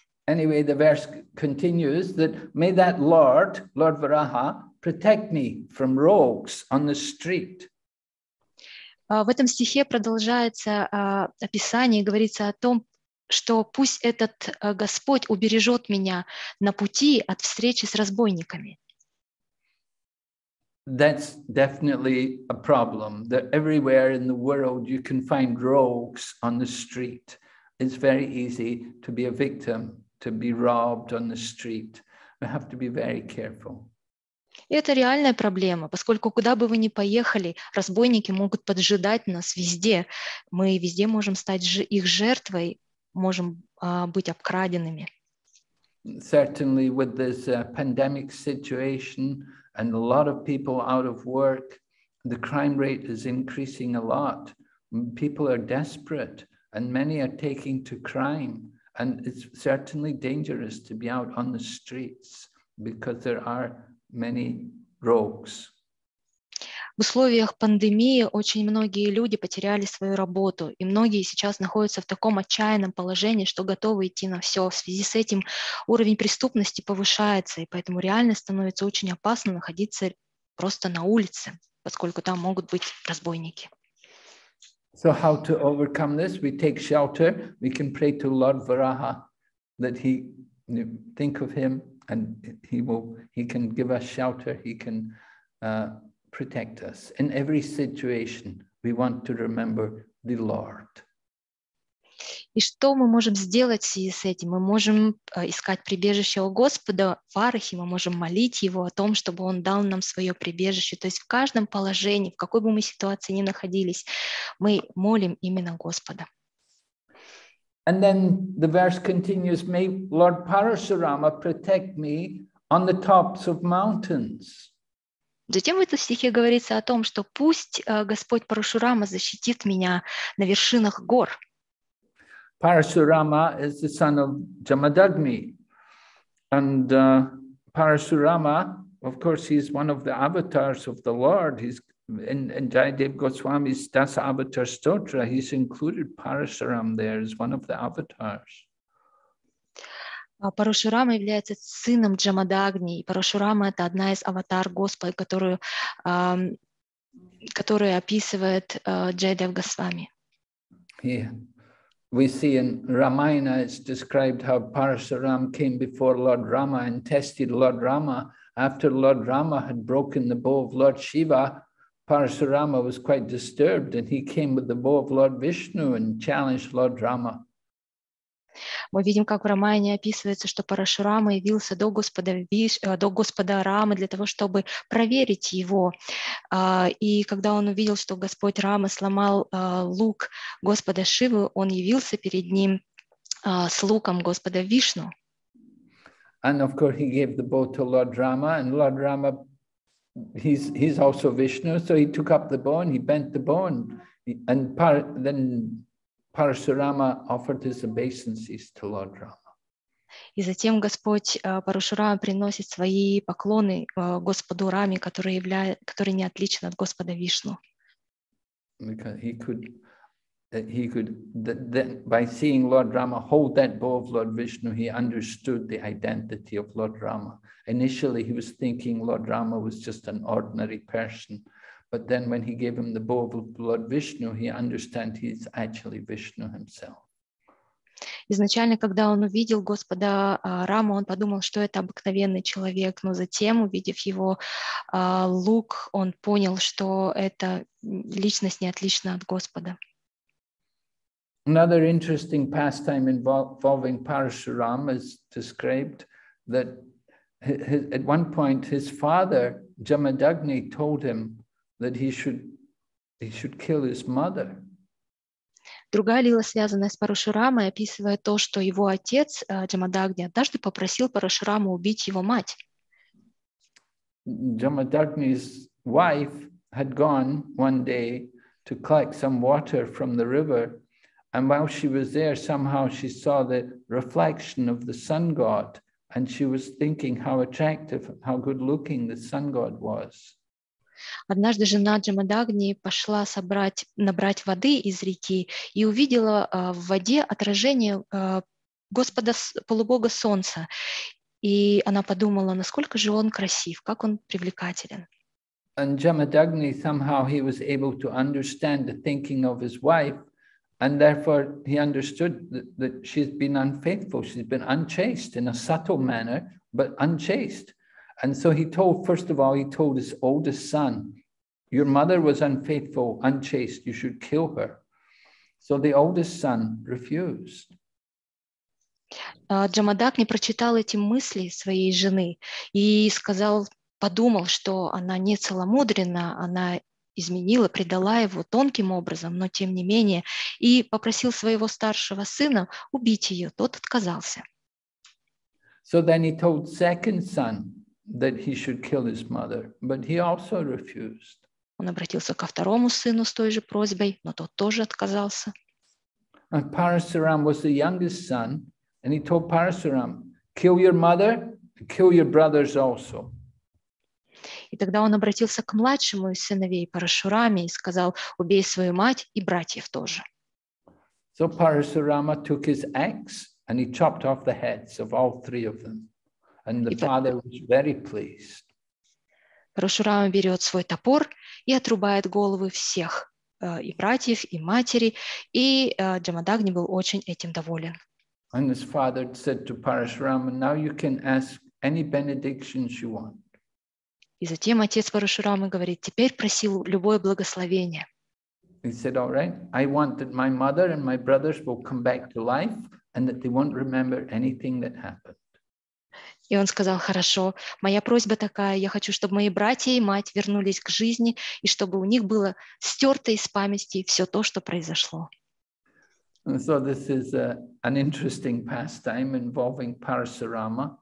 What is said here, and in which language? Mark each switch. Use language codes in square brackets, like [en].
[en] Anyway, the verse continues that may that Lord Varaha, protect me from rogues on the street. [ru] В этом стихе продолжается описание, говорится о том, что пусть этот Господь убережет меня на пути от встречи с разбойниками. [en] That's definitely a problem, that everywhere in the world you can find rogues on the street. It's very easy to be a victim, to be robbed on the street. We have to be very careful. [ru] Это реальная проблема, поскольку куда бы вы ни поехали, разбойники могут поджидать нас везде. Мы везде можем стать их жертвой, можем быть обкраденными. [en] Certainly with this pandemic situation and a lot of people out of work, the crime rate is increasing a lot. People are desperate and many are taking to crime. And it's certainly dangerous to be out on the streets because there are many rogues. [ru] В условиях пандемии очень многие люди потеряли свою работу, и многие сейчас находятся в таком отчаянном положении, что готовы идти на все. В связи с этим уровень преступности повышается, и поэтому реально становится очень опасно находиться просто на улице, поскольку там могут быть разбойники. [en] So how to overcome this? We take shelter, we can pray to Lord Varaha, that he, you know, think of him, and he can give us shelter, he can protect us. In every situation, we want to remember the Lord. [ru] И что мы можем сделать в связи с этим? Мы можем искать прибежище у Господа в Арахе, мы можем молить Его о том, чтобы Он дал нам свое прибежище. То есть в каждом положении, в какой бы мы ситуации ни находились, мы молим именно Господа. [en] And then the verse continues, may Lord Parashurama protect me on the tops of mountains. [ru] Затем в этом стихе говорится о том, что пусть Господь Парашурама защитит меня на вершинах гор. [en] Parashurama is the son of Jamadagni. And Parashurama, of course, he's one of the avatars of the Lord. He's in Jayadeva Goswami's Dasa Avatar Stotra, he's included Parashuram there as one of the avatars. [ru] Парашурама является сыном Джамадагни. Парашурама — это одна из аватар Господа, которую описывает Джайдева Госвами. [en] Yeah. We see in Ramayana it's described how Parashurama came before Lord Rama and tested Lord Rama. After Lord Rama had broken the bow of Lord Shiva, Parashurama was quite disturbed and he came with the bow of Lord Vishnu and challenged Lord Rama. [ru] Мы видим, как в Рамаяне описывается, что Парашурама явился до Господа Рамы для того, чтобы проверить его. И когда он увидел, что Господь Рама сломал лук Господа Шивы, он явился перед ним с луком Господа Вишну. [en] And of course he gave the bow to Lord Rama, and Lord Rama, he's also Vishnu, so he took up the bow and he bent the bow, and then Parashurama offered his obeisances to Lord Rama. [ru] И затем Господь Парашурама приносит свои поклоны Господу Раме, который не отличен от Господа Вишну. [en] Because he could by seeing Lord Rama hold that bow of Lord Vishnu, he understood the identity of Lord Rama. Initially, he was thinking Lord Rama was just an ordinary person. But then when he gave him the bow of Lord Vishnu, he understood he is actually Vishnu himself. [ru] Изначально, когда он увидел Господа Раму, он подумал, что это обыкновенный человек, но затем, увидев его лук, он понял, что это личность не отлична от Господа. [en] Another interesting pastime involving Parashurama is described that At one point, his father, Jamadagni, told him that he should kill his mother. [ru] Другая лила, связанная с Парашурамой, описывает то, что его отец, Джамадагни, однажды попросил Парашураму убить его мать. [en] Джамадагни's wife had gone one day to collect some water from the river, and while she was there, somehow she saw the reflection of the sun god, and she was thinking how attractive, how good-looking the sun god was. [ru] Однажды жена Джамадагни пошла набрать воды из реки и увидела в воде отражение Господа, полубога солнца. И она подумала, насколько же он красив, как он привлекателен. [en] And Jamadagni, somehow he was able to understand the thinking of his wife, and therefore he understood that she's been unfaithful, she's been unchaste in a subtle manner, but unchaste. And so he told his oldest son, your mother was unfaithful, unchaste, you should kill her. So the oldest son refused. [ru] Джамадагни прочитал эти мысли своей жены и сказал, подумал, что она не целомудрена, она изменила, предала его тонким образом, но тем не менее, и попросил своего старшего сына убить ее. Тот отказался. [en] So then he told second son that he should kill his mother, but he also refused. [ru] Он обратился ко второму сыну с той же просьбой, но тот тоже отказался. [en] And Parasuram was the youngest son, and he told Parasuram, kill your mother, kill your brothers also. [ru] И тогда он обратился к младшему из сыновей Парашураме и сказал, убей свою мать и братьев тоже. [en] So Parasurama took his axe and he chopped off the heads of all three of them. And the father was very pleased. [ru] Парашурама берет свой топор и отрубает головы всех, и братьев, и матери, и Джамадагни был очень этим доволен. [en] And his father said to Parashurama, now you can ask any benedictions you want. [ru] И затем отец Парашурамы говорит, теперь проси любое благословение. [en] He said, all right, I want that my mother and my brothers will come back to life and that they won't remember anything that happened. [ru] И он сказал, хорошо, моя просьба такая, я хочу, чтобы мои братья и мать вернулись к жизни, и чтобы у них было стерто из памяти все то, что произошло. [en] So this is an interesting pastime involving Parasurama.